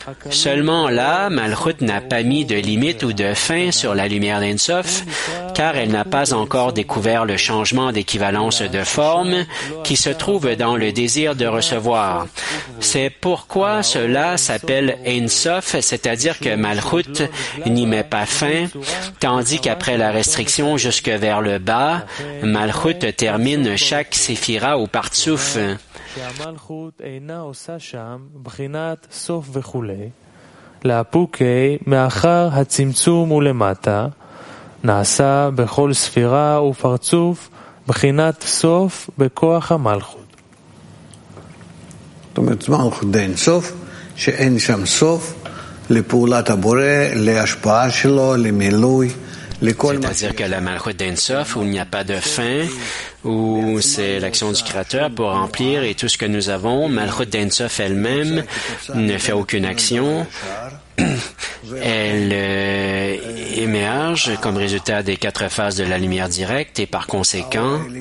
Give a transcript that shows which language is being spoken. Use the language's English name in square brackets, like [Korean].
[French] Seulement là, Malchut n'a pas mis de limite ou de fin sur la lumière d'Ein Sof, car elle n'a pas encore découvert le changement d'équivalence de forme qui se trouve dans le désir de recevoir. C'est pourquoi cela s'appelle Ein Sof, c'est-à-dire que Malchut n'y met pas fin, tandis qu'après la restriction jusque vers le bas, Malchut termine chaque séphira ou partsouf. [Hebrew] שהמלכות אינה עושה שם בחינת סוף וכולי, להפוקי מאחר הצמצום ולמטה, נעשה בכל ספירה ופרצוף בחינת סוף בכוח המלכות. זאת אומרת, מלכות אין סוף, שאין שם סוף לפעולת הבורא, להשפעה שלו, למילוי. [French] C'est-à-dire que la malchut d'Ein Sof, où il n'y a pas de fin, où c'est l'action du Créateur pour remplir et tout ce que nous avons, malchut d'Ein Sof elle-même ne fait aucune action. Elle émerge comme résultat des quatre phases de la lumière directe et par conséquent,